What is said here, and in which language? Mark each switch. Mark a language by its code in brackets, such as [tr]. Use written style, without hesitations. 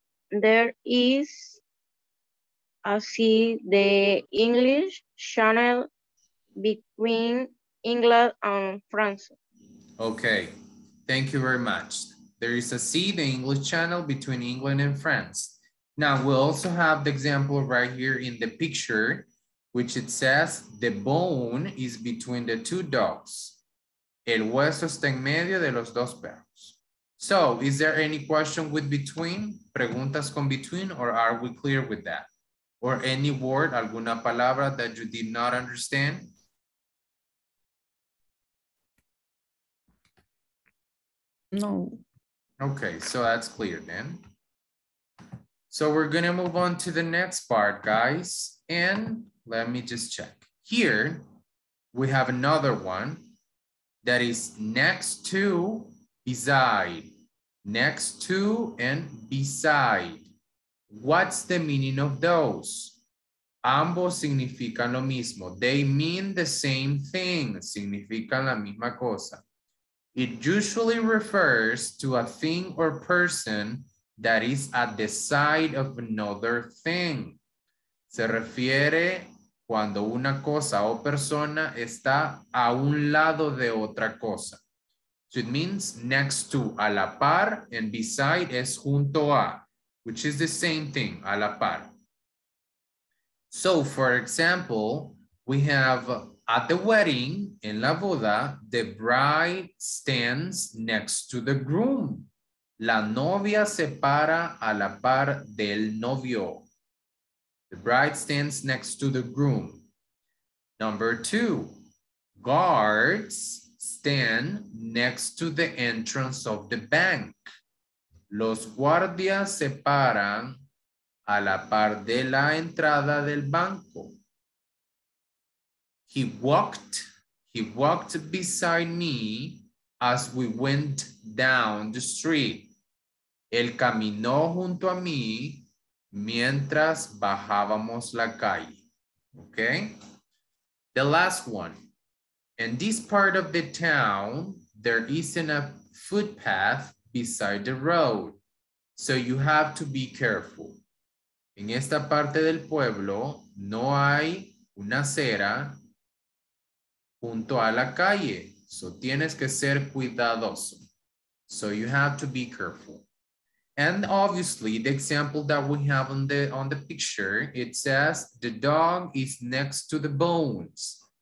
[en] There is, I see the English channel between England and France. Okay, thank you very much. There is a see the English channel between England and France. Now, we also have the example right here in the picture, which it says, the bone is between the two dogs. [es] El hueso está en medio de los dos perros. [en] So, is there any question with between? [es] Preguntas con [en] between, or are we clear with that? Or any word, [es] alguna palabra [en] that you did not understand? No. Okay, so that's clear then. So we're gonna move on to the next part, guys. And let me just check. Here, we have another one that is next to, beside. Next to and beside. What's the meaning of those? [es] Ambos significan lo mismo. [en] They mean the same thing. [es] Significan la misma cosa. [en] It usually refers to a thing or person that is at the side of another thing. [es] Se refiere cuando una cosa o persona está a un lado de otra cosa. [en] So it means next to, [es] a la par, [en] and beside [es] es junto a, [en] which is the same thing, a la par. So for example, we have at the wedding, [es] en la boda, [en] the bride stands next to the groom. [es] La novia se para a la par del novio. [en] The bride stands next to the groom. Number two, guards stand next to the entrance of the bank. [es] Los guardias se paran a la par de la entrada del banco. [en] He walked beside me as we went down the street. [es] Él caminó junto a mí mientras bajábamos la calle. [en] Okay? The last one. In this part of the town, there isn't a footpath beside the road, so you have to be careful. [es] En esta parte del pueblo, no hay una acera junto a la calle, so tienes que ser cuidadoso. [en] So you have to be careful. And obviously, the example that we have on the picture, it says the dog is next to the bones.